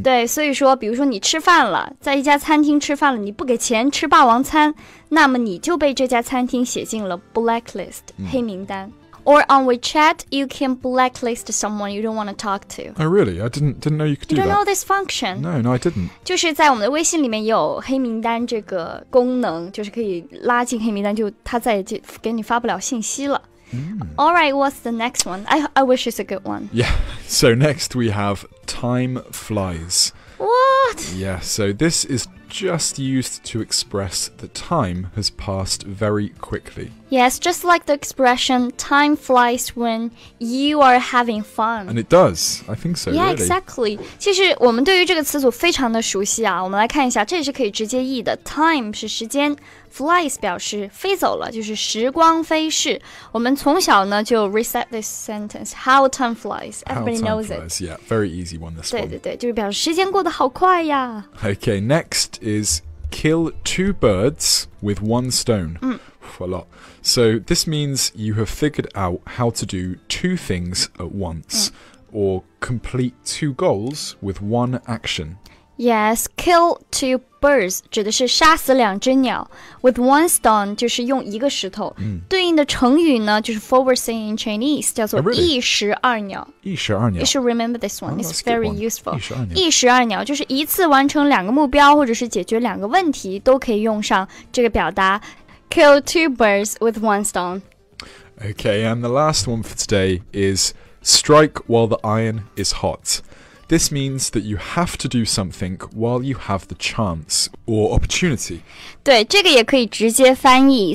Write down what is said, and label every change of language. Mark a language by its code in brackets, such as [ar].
[zh] 对，所以说比如说你吃饭了，在一家餐厅吃饭了，你不给钱吃霸王餐，那么你就被这家餐厅写进了 blacklist,、嗯、黑名单。 [en] Or on WeChat, you can blacklist someone you don't want to talk to. Oh, really? I didn't know you could do that. You don't know this function? No, I didn't. [zh] 就是在我们的微信里面有黑名单这个功能，就是可以拉进黑名单，就它再也就给你发不了信息了。 Mm. [en] All right, what's the next one? I wish it's a good one. Yeah, so next we have time flies. What? Yeah, so this is just used to express that time has passed very quickly. Yes, just like the expression, time flies when you are having fun. And it does, I think so, yeah, really. Yeah, exactly. [zh] 其实我们对于这个词组非常的熟悉啊，我们来看一下，这也是可以直接译的。 Time 是时间。Flies 表示飞走了，就是时光飞逝。我们从小呢就 [en] reset this sentence. How time flies. Everybody knows it. How time flies, yeah. Very easy one, this [zh] 对对对，就是表示时间过得好快呀。 [en] Okay, next is kill two birds with one stone. A lot. So this means you have figured out how to do two things at once, or complete two goals with one action. [zh] Yes, [en] kill two birds [zh] 指的是杀死两只鸟 [en] with one stone [zh] 就是用一个石头、对应的成语呢就是 [en] forward saying in Chinese [zh] 叫做一石二鸟、一石二鸟 [en] You should remember this one,、it's very useful [zh] 一石二鸟一石二鸟就是一次完成两个目标或者是解决两个问题都可以用上这个表达 [en] kill two birds with one stone Okay, and the last one for today is strike while the iron is hotThis means that you have to do something while you have the chance or opportunity. [zh] 对，这个也可以直接翻译。